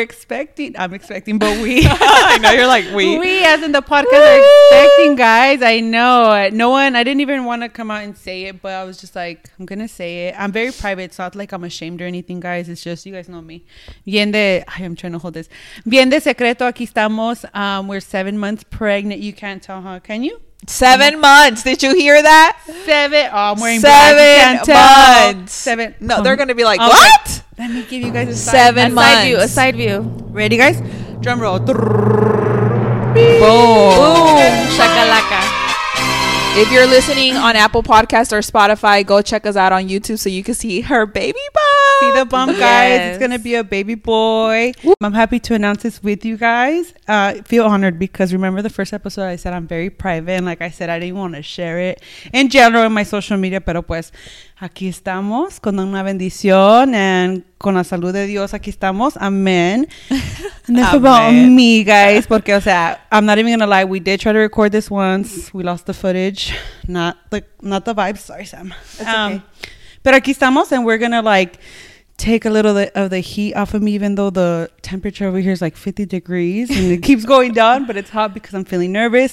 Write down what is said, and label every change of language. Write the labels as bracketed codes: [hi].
[en] I'm expecting, but we. I know, you're like, we. We, as in the podcast, are expecting, guys. I know. I didn't even want to come out and say it, but I was just like, I'm going to say it. I'm very private, so not like I'm ashamed or anything, guys. It's just, you guys know me. I'm trying to hold this. [es] Bien de secreto, aquí estamos. [en] We're 7 months pregnant. You can't tell, huh? Can you? Seven months. Did you hear that? Seven. No, they're going to be like, okay. What? Let me give you guys a side. 7 months. A side view. Ready, guys? Drum roll. Boom. Shakalaka. If you're listening on Apple Podcasts or Spotify, go check us out on YouTube so you can see her baby bump. See the bump, guys. Yes. It's going to be a baby boy. I'm happy to announce this with you guys. Feel honored because remember the first episode I said I'm very private. And like I said, I didn't want to share it in general in my social media. [es] Pero pues, aquí estamos con una bendición and con la salud de Dios. Aquí estamos. [en] Amen. Enough about me, guys. [es] Porque, o sea, [en] I'm not even going to lie. We did try to record this once. We lost the footage. Not the vibe. Sorry, Sam. It's okay. [es] Pero aquí estamos [en] and we're going to like take a little of the heat off of me, even though the temperature over here is like 50 degrees and it keeps going down, but it's hot because I'm feeling nervous.